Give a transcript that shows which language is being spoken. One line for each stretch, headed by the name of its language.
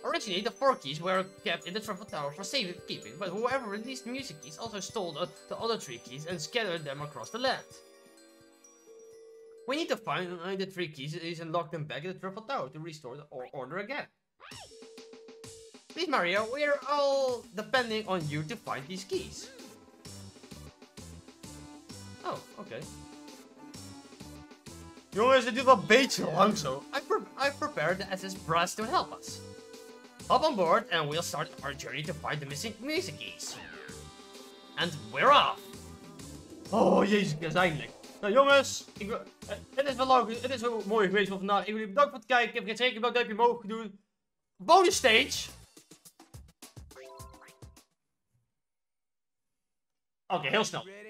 English: Originally, the 4 keys were kept in the Truffle Tower for safekeeping, but whoever released the music keys also stole the other 3 keys and scattered them across the land. We need to find the 3 keys and lock them back in the Truffle Tower to restore the order again. Please, Mario, we're all depending on you to find these keys. Oh, okay.
Dutch: Jongens, dit duurt wel een beetje lang zo.
English: I've prepared the SS Brass to help us. Hop on board and we'll start our journey to find the missing music keys. And we're off!
Dutch: Oh, jezus, eindelijk. Nou jongens, het is wel mooi geweest van vandaag. Ik wil jullie bedanken voor het kijken. Ik heb geen zeker welk duimpje omhoog doen.
English: Bonus stage!
Dutch: Oké, heel snel.